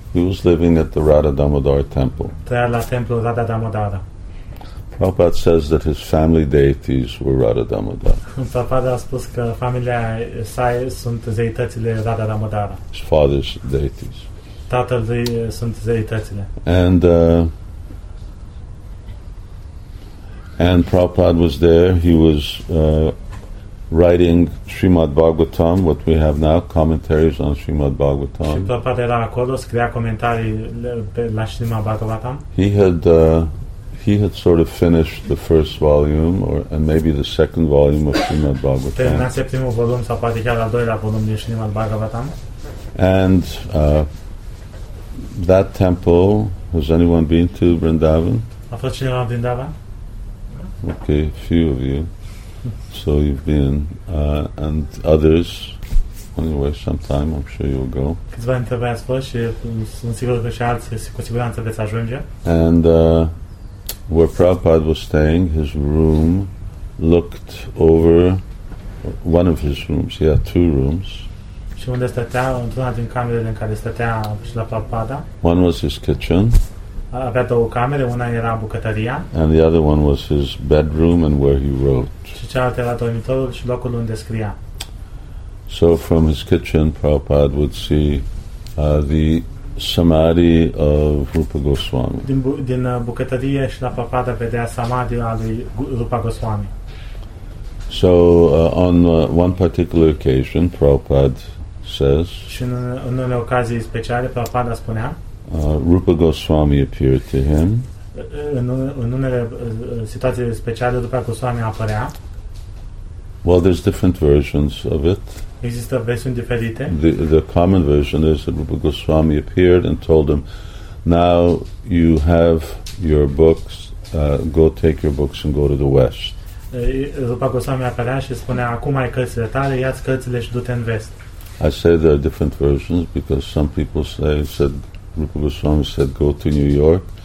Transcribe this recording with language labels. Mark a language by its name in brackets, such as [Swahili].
[English] He was living at the Radha Damodara temple. [Romanian] Trăia la templul Radha Damodara. [English] Prabhupada says that his family deities were Radha Damodara. [Romanian] Prabhupada a spus că familia sa sunt zeitățile Radha Damodara. [English] His father's deities. [Romanian] Tatăl lui sunt zeitățile. [English] And Prabhupada was there. He was writing Srimad Bhagavatam, what we have now, commentaries on Srimad Bhagavatam. [Romanian] Și Prabhupada era acolo, scria comentarii la Srimad Bhagavatam. [English] He had sort of finished the first volume, and maybe the second volume of Srimad Bhagavatam. [Romanian] Terminase primul volum sau poate chiar al doilea volum din Srimad Bhagavatam. [English] And that temple, has anyone been to Vrindavan? [Romanian] A fost cineva în Vrindavan? [English] Okay, a few of you. So you've been, and others, anyway, sometime I'm sure you'll go. [Romanian] Câțiva dintre voi ați fost și sunt sigur că și alții cu siguranță veți ajunge. [English] And where Prabhupada was staying, his room looked over one of his rooms. He had two rooms. [Romanian] Și unde stătea, într-una din camerele în care stătea și la Prabhupada. [English] One was his kitchen. [Romanian] Avea două camere, una era bucătăria. [English] And the other one was his bedroom and where he wrote. [Romanian] Și cealaltă era dormitorul și locul unde scria. [English] So from his kitchen, Prabhupada would see The samadhi of Rupa Goswami. [Romanian] Din bucătărie și la papada vedea samadhi al lui Rupa Goswami. [English] So on one particular occasion, Prabhupada says. [Romanian] Și în unele ocazii speciale, Prabhupada spunea. [English] Rupa Goswami appeared to him. [Romanian] În unele situații speciale, Rupa Goswami apărea. [English] Well, there's different versions of it. [Romanian] Există versiuni diferite. [English] The common version is that Rupa Goswami appeared and told him, "Now you have your books. Go take your books and go to the west." [Romanian] Rupa Goswami apărea și spunea, "Acum ai cărțile tale, ia-ți cărțile și du-te în vest." [English] I say there are different versions because some people say said Rupa Goswami said, "Go to New York."